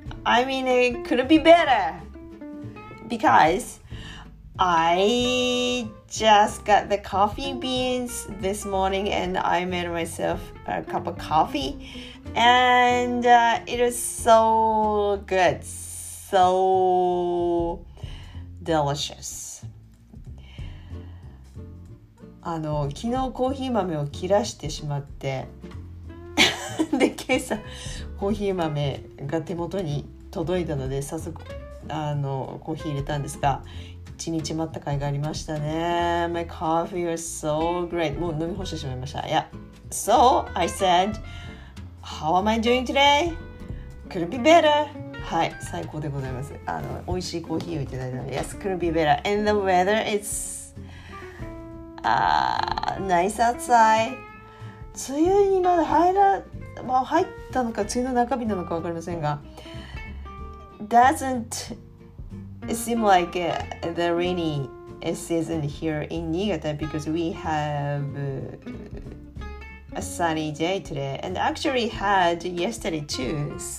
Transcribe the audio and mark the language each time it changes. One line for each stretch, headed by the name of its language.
English: I mean, it could be better because I just got the coffee beans this morning and I made myself a cup of coffee and it was so good, so delicious.
Japanese: 昨日コーヒー豆を切らしてしまってで、今朝コーヒー豆が手元に届いたので早速コーヒー入れたんですが、1日待った甲斐がありましたね。
English: My coffee was so great.
Japanese: もう飲み干してしまいました。
English: Yeah. So I said, How am I doing today? Could it be better?
Japanese: はい、最高でございます。美味しいコーヒーをいただいたので、
English: Yes, could it be better? And the weather is nice outside.
Japanese: 梅雨にまだ入ったのか梅雨の中日なのか分かりませんが、
English: Doesn't seem like the rainy season here in Niigata because we have a sunny day today and actually had yesterday too.